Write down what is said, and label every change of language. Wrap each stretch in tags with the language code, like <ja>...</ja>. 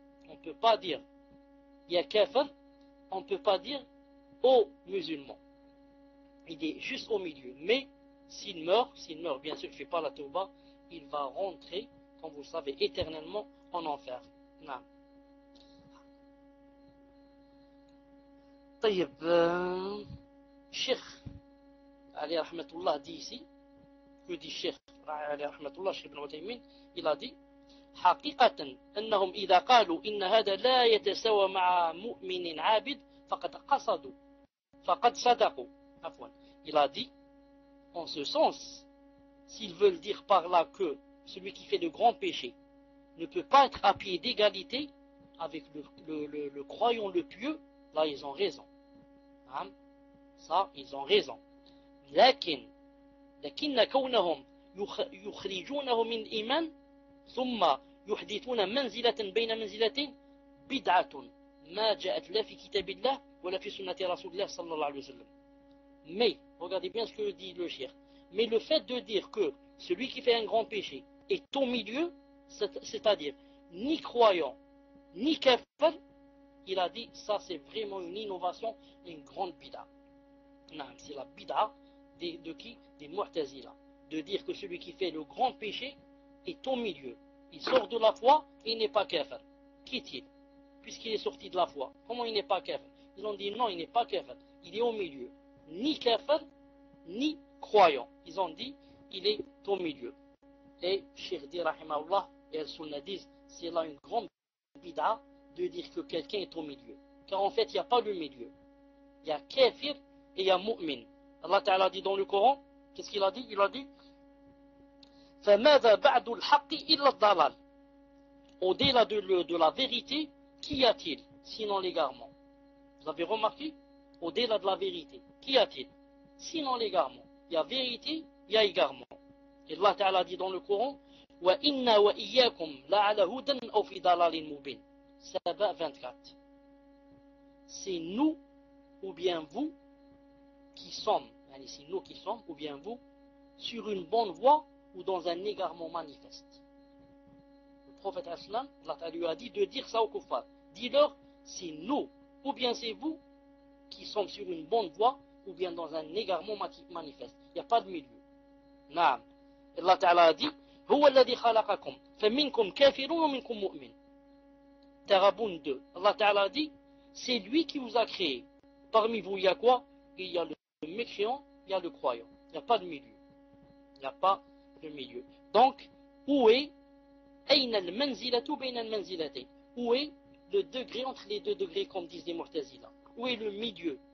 <fr>On peut pas dire il y a kafir, on peut pas dire au musulman. Il est juste au milieu. Mais s'il meurt, bien sûr, il ne fait pas la tauba, il va rentrer, comme vous le savez, éternellement en enfer. Non.</fr> <ar>طيب الشيخ عليه رحمة الله</ar> <fr>دي سي يدي</fr> <ar>الشيخ عليه رحمة الله الشيخ ابن عثيمين</ar> <fr>إلى دي</fr> <ar>حقيقة أنهم إذا قالوا إن هذا لا يتساوى مع مؤمن عابد فقد صدقوا عفوا</ar> <fr>إلى دي en ce sens s'ils veulent dire par là que celui qui fait de grands péchés ne peut pas être à pied d'égalité avec le croyant le pieux, là ils ont raison.</fr> <ar>نعم صح إذن</ar> <fr>ريزون.</fr> <ar>لكن كونهم يخرجونه من الإيمان ثم يحدثون منزلة بين منزلتين بدعة ما جاءت لا في كتاب الله ولا في سنة رسول الله صلى الله عليه وسلم.</ar> <fr>مي regardez bien ce que dit le cheikh. Mais le fait de dire que celui qui fait un grand péché est au milieu, c'est-à-dire ni croyant ni kafir, il a dit ça c'est vraiment une innovation, une grande bida. Non, c'est la bida de qui? Des Mu'tazila. De dire que celui qui fait le grand péché est au milieu. Il sort de la foi et il n'est pas kafir. Qui est-il? Puisqu'il est sorti de la foi, comment il n'est pas kafir? Ils ont dit non, il n'est pas kafir. Il est au milieu. Ni kafir, ni croyant. Ils ont dit il est au milieu. Et Cheikh dit, rahimahullah, et Al-Sunna disent c'est là une grande bida de dire que quelqu'un est au milieu. Car en fait, il n'y a pas de milieu. Il y a kafir et il y a mu'min. Allah Ta'ala dit dans le Coran, qu'est-ce qu'il a dit? Il a dit</fr> <ar>فَمَاذَا بَعْدُ الْحَقِّ إِلَّا الضَّلَالِ.</ar> <fr>Au-delà de la vérité, qu'y a-t-il sinon l'égarement? Vous avez remarqué? Au-delà de la vérité, qu'y a-t-il sinon l'égarement? Il y a vérité, il y a égarement. Et Allah Ta'ala dit dans le Coran</fr> <ar>وَإِنَّا وَإِيَّاكُمْ لَعَلَى هُدًى أَوْ فِي ضَلَالٍ مُبِينٍ.</ar> <fr>Saba 24. C'est nous ou bien vous qui sommes, allez, c'est nous qui sommes ou bien vous, sur une bonne voie ou dans un égarement manifeste. Le prophète Aslam, Allah Ta'ala lui a dit de dire ça au kuffar. Dis-leur, c'est nous ou bien c'est vous qui sommes sur une bonne voie ou bien dans un égarement manifeste. Il n'y a pas de milieu. Naam. Allah Ta'ala a dit</fr> <ar>هو الذي خلقكم فمنكم كافر ومنكم مؤمن.</ar> <fr>Tarabun 2. Allah Ta'ala dit, c'est lui qui vous a créé. Parmi vous, il y a quoi? Il y a le mécréant, il y a le croyant. Il n'y a pas de milieu. Il n'y a pas de milieu. Donc, où est Aïna al-manzilatu bayna al-manzilati? Où est le degré entre les deux degrés, comme disent les Mu'tazila? Où est le milieu?</fr>